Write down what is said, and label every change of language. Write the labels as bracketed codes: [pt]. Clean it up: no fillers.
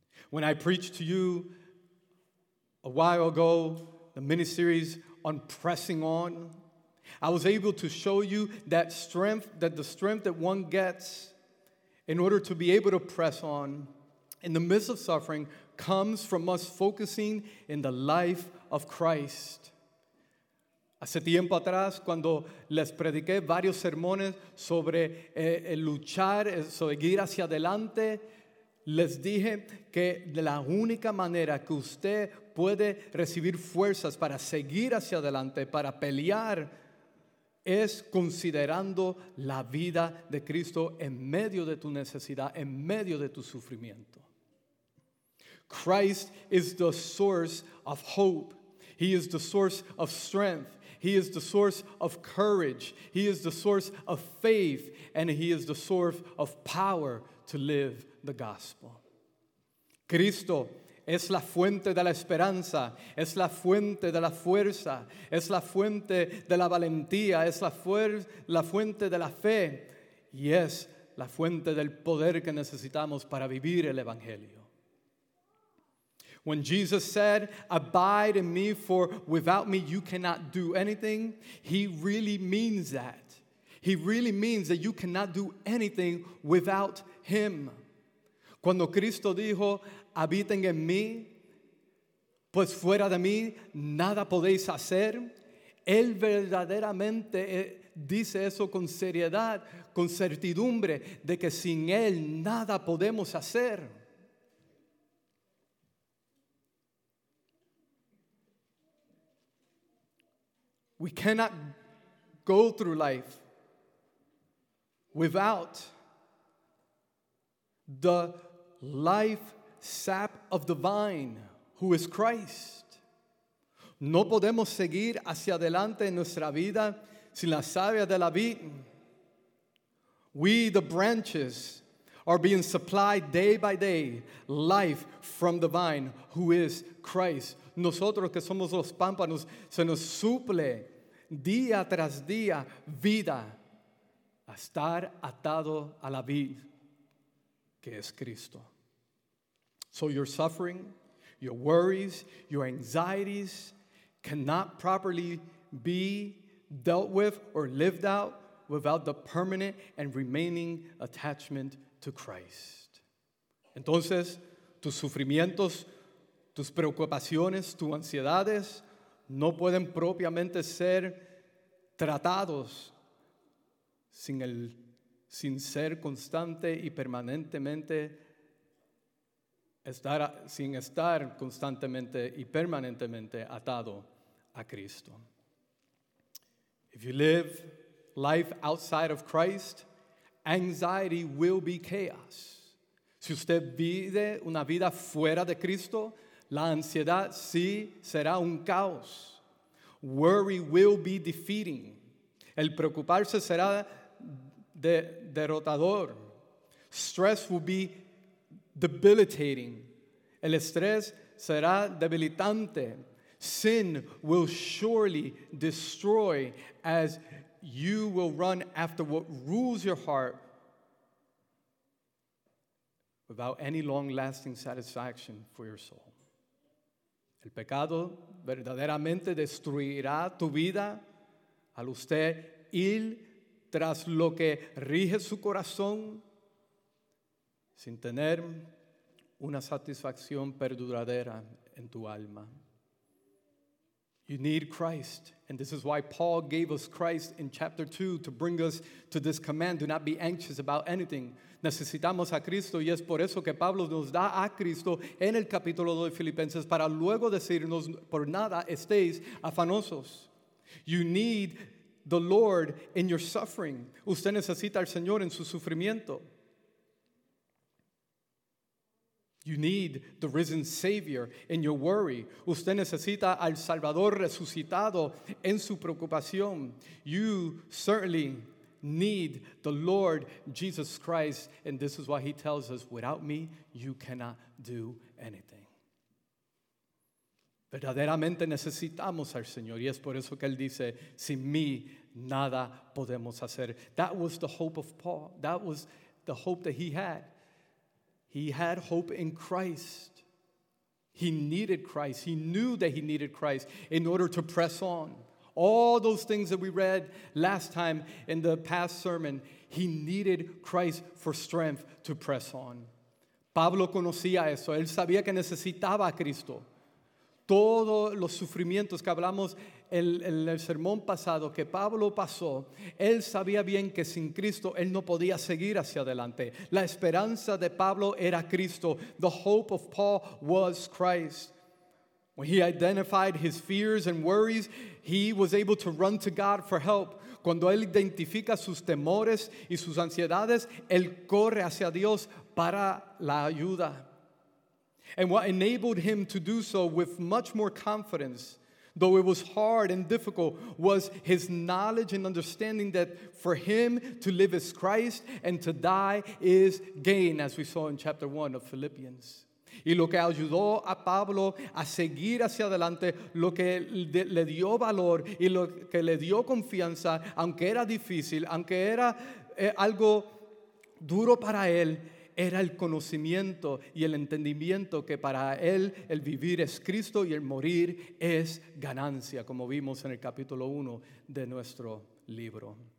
[en] When I preached to you a while ago, the miniseries on pressing on, I was able to show you the strength that one gets in order to be able to press on in the midst of suffering comes from us focusing in the life of Christ. [es] Hace tiempo atrás, cuando les prediqué varios sermones sobre luchar, seguir hacia adelante, les dije que la única manera que usted puede recibir fuerzas para seguir hacia adelante, para pelear, es considerando la vida de Cristo en medio de tu necesidad, en medio de tu sufrimiento. [en] Christ is the source of hope. He is the source of strength. He is the source of courage. He is the source of faith. And he is the source of power to live the gospel. [es] Cristo es la fuente de la esperanza, es la fuente de la fuerza, es la fuente de la valentía, es la fuente de la fe y es la fuente del poder que necesitamos para vivir el Evangelio. [en] When Jesus said, "Abide in me, for without me you cannot do anything," he really means that. He really means that you cannot do anything without him. [es] Cuando Cristo dijo, habiten en mí, pues fuera de mí nada podéis hacer. Él verdaderamente dice eso con seriedad, con certidumbre, de que sin Él nada podemos hacer. [en] We cannot go through life without the life sap of the vine, who is Christ. [es] No podemos seguir hacia adelante en nuestra vida sin la savia de la vid. [en] We, the branches, are being supplied day by day life from the vine, who is Christ. [es] Nosotros que somos los pámpanos, se nos suple día tras día vida a estar atado a la vid, que es Cristo. [en] So your suffering, your worries, your anxieties cannot properly be dealt with or lived out without the permanent and remaining attachment to Christ. [es] Entonces, tus sufrimientos, tus preocupaciones, tus ansiedades no pueden propiamente ser tratados sin ser constante y permanentemente sin estar constantemente y permanentemente atado a Cristo. [en] If you live life outside of Christ, anxiety will be chaos. [es] Si usted vive una vida fuera de Cristo, la ansiedad sí será un caos. [en] Worry will be defeating. [es] El preocuparse será derrotador. [en] Stress will be debilitating. [es] El estrés será debilitante. [en] Sin will surely destroy as you will run after what rules your heart without any long-lasting satisfaction for your soul. [es] El pecado verdaderamente destruirá tu vida al usted ir tras lo que rige su corazón sin tener una satisfacción perduradera en tu alma. [en] You need Christ. And this is why Paul gave us Christ in chapter 2 to bring us to this command. Do not be anxious about anything. [es] Necesitamos a Cristo. Y es por eso que Pablo nos da a Cristo en el capítulo 2 de Filipenses para luego decirnos, por nada estéis afanosos. [en] You need the Lord in your suffering. [es] Usted necesita al Señor en su sufrimiento. [en] You need the risen Savior in your worry. [es] Usted necesita al Salvador resucitado en su preocupación. [en] You certainly need the Lord Jesus Christ. And this is why he tells us, without me, you cannot do anything. [es] Verdaderamente necesitamos al Señor. Y es por eso que él dice, sin mí, nada podemos hacer. [en] That was the hope of Paul. That was the hope that he had. He had hope in Christ. He needed Christ. He knew that he needed Christ in order to press on. All those things that we read last time in the past sermon, he needed Christ for strength to press on. [es] Pablo conocía eso. Él sabía que necesitaba a Cristo. Todos los sufrimientos que hablamos en el sermón pasado que Pablo pasó, él sabía bien que sin Cristo él no podía seguir hacia adelante. La esperanza de Pablo era Cristo. [en] The hope of Paul was Christ. When he identified his fears and worries, he was able to run to God for help. [es] Cuando él identifica sus temores y sus ansiedades, él corre hacia Dios para la ayuda. [en] And what enabled him to do so with much more confidence, though it was hard and difficult, was his knowledge and understanding that for him to live is Christ and to die is gain, as we saw in chapter 1 of Philippians. [es] Y lo que ayudó a Pablo a seguir hacia adelante, lo que le dio valor y lo que le dio confianza, aunque era difícil, aunque era algo duro para él, era el conocimiento y el entendimiento que para él el vivir es Cristo y el morir es ganancia, como vimos en el capítulo 1 de nuestro libro.